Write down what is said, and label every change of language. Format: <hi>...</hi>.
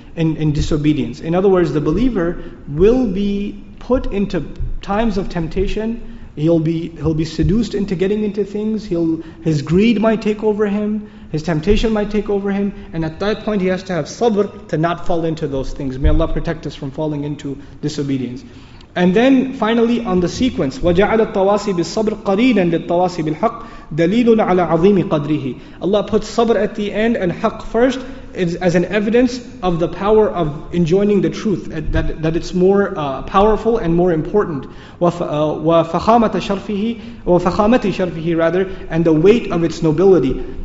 <en>In disobedience. In other words, the believer will be put into times of temptation. He'll be seduced into getting into things. His greed might take over him. His temptation might take over him. And at that point, he has to have sabr to not fall into those things. May Allah protect us from falling into disobedience. And then finally, on the sequence,</en> <ar>وَجَعَلَ التَّوَاسِي بِالصَّبْرِ قَرِينًا لِلتَّوَاسِي بِالْحَقِّ دَلِيلٌ عَلَى عَظِيمِ قَدْرِهِ.</ar> <en>Allah puts sabr at the end and haqq first as an evidence of the power of enjoining the truth, that it's more powerful and more important.</en> <ar>وَفَخَامَةِ شَرْفِهِ</ar> <en>rather, and the weight of its nobility.</en>